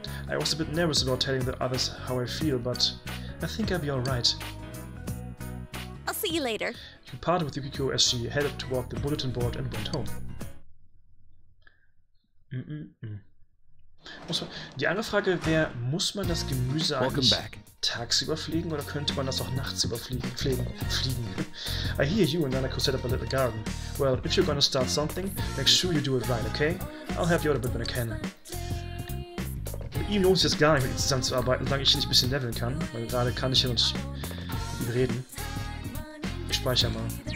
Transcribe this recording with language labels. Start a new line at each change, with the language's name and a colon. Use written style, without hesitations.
English: I was a bit nervous about telling the others how I feel, but I think I'll be alright. I'll see you later. He parted with Yukiko as she headed toward the bulletin board and went home.
German: Muss man, die andere Frage wäre, muss man das Gemüse eigentlich tagsüber fliegen oder könnte man das auch nachts überfliegen? Fliegen.
English: I hear you and Nanako set up a little garden. Well, if you're gonna start something, make sure you do it right, okay? I'll help you out a bit when I can.
German: Mit ihm lohnt es jetzt gar nicht, mit ihm zusammenzuarbeiten, solange ich nicht ein bisschen leveln kann. Weil gerade kann ich ja noch nicht reden. Ich speichere mal.